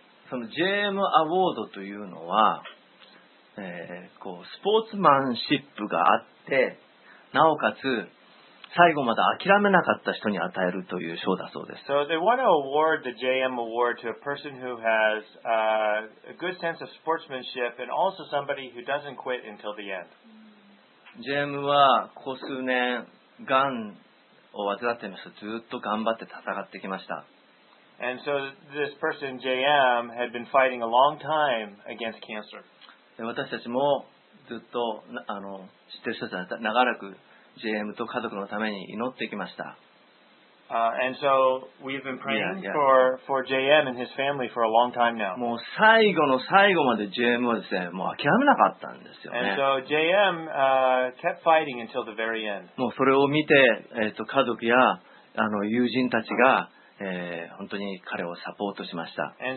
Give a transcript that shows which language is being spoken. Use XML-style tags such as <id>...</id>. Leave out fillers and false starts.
<ja>その JM アワードというのは、こうスポーツマンシップがあって、なおかつ最後まで諦めなかった人に与えるという賞だそうです。</ja> <en>So they want to award the JM award to a person who has a good sense of sportsmanship and also somebody who doesn't quit until the end.</en> <ja>JM はここ数年癌を患っています。ずっと頑張って戦ってきました。</ja> <en>And so this person, JM, had been fighting a long time against cancer.</en> <ja>私たちもずっと知ってる人たちは長らく JM と家族のために祈ってきました。</ja> <en>And so we've been praying for JM and his family for a long time now.</en> <ja>もう最後の最後まで JM はですね、もう諦めなかったんですよね。</ja> <en>And so JM, kept fighting until the very end.</en> <ja>もうそれを見て、家族や友人たちが、本当に彼をサポートしました。</ja>